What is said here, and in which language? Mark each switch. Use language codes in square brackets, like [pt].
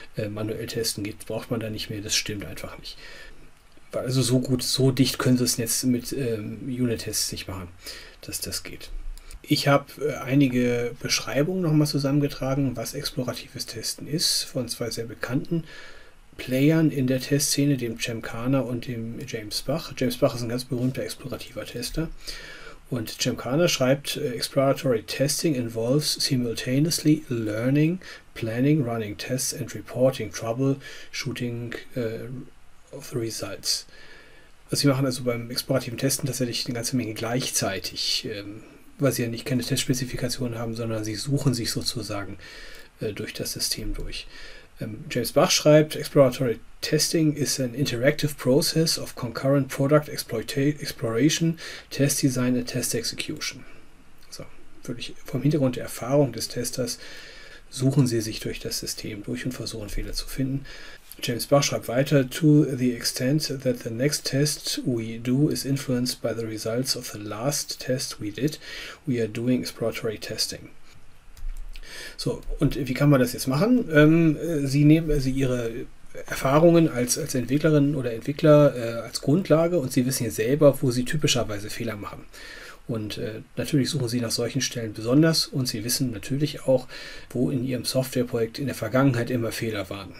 [de] Manuell testen geht, braucht man da nicht mehr, das stimmt einfach nicht. Weil also so gut, so dicht können Sie es jetzt mit Unit-Tests nicht machen, dass das geht. Ich habe einige Beschreibungen nochmal zusammengetragen, was exploratives Testen ist, von zwei sehr bekannten Playern in der Testszene, dem Cem Karner und dem James Bach. James Bach ist ein ganz berühmter explorativer Tester. Und Cem Karner schreibt: [en] Exploratory Testing involves simultaneously learning, planning, running tests and reporting troubleshooting of the results. [de] Was Sie machen also beim explorativen Testen tatsächlich eine ganze Menge gleichzeitig. Weil Sie ja nicht keine Testspezifikationen haben, sondern Sie suchen sich sozusagen durch das System durch. James Bach schreibt: [en] Exploratory Testing is an interactive process of concurrent product exploration, Test Design and Test Execution. [de] So, wirklich vom Hintergrund der Erfahrung des Testers suchen Sie sich durch das System durch und versuchen Fehler zu finden. James Bach schreibt weiter: [en] To the extent that the next test we do is influenced by the results of the last test we did, we are doing exploratory testing. [de] So, und wie kann man das jetzt machen? Sie nehmen also Ihre Erfahrungen als Entwicklerin oder Entwickler als Grundlage und Sie wissen ja selber, wo Sie typischerweise Fehler machen. Und natürlich suchen Sie nach solchen Stellen besonders und Sie wissen natürlich auch, wo in Ihrem Softwareprojekt in der Vergangenheit immer Fehler waren.